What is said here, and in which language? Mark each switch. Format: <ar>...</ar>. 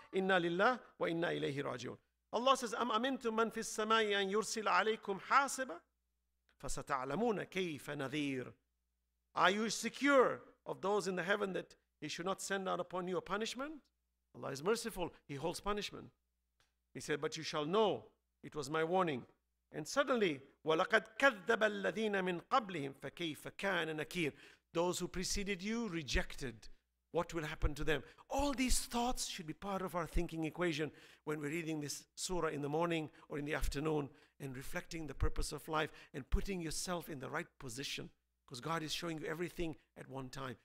<ar>Inna lillah wa inna ilayhi raji'un.</ar> <en>Allah says,</en> <ar>Am amintum man fis samai an yursil alaykum hasiba? فَسَتَعْلَمُونَ كَيْفَ نَذِيرٌ.</ar> <en>Are you secure of those in the heaven that he should not send out upon you a punishment? Allah is merciful. He holds punishment. He said, but you shall know. It was my warning. And suddenly,</en> <ar>وَلَقَدْ كَذَّبَ الَّذِينَ مِنْ قَبْلِهِمْ فَكَيْفَ كَانَ نَكِيرٌ.</ar> <en>Those who preceded you rejected. What will happen to them? All these thoughts should be part of our thinking equation when we're reading this surah in the morning or in the afternoon and reflecting the purpose of life and putting yourself in the right position, because God is showing you everything at one time.</en>